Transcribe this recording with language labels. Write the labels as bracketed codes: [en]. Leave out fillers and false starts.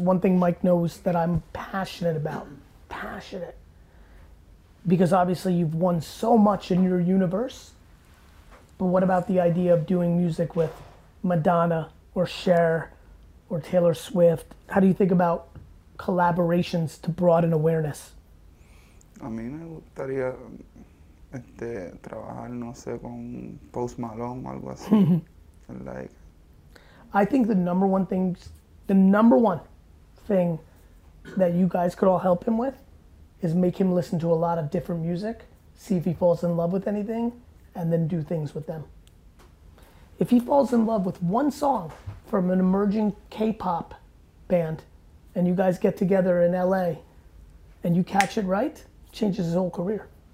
[en] One thing Mike knows that I'm passionate about, passionate. Because obviously you've won so much in your universe. But what about the idea of doing music with Madonna or Cher or Taylor Swift? How do you think about collaborations to broaden awareness? [es] A mí me gustaría trabajar, no sé, con Post Malone o algo así. [en] Like. I think the number one thing that you guys could all help him with is make him listen to a lot of different music, see if he falls in love with anything, and then do things with them. If he falls in love with one song from an emerging K-pop band and you guys get together in LA and you catch it right, changes his whole career.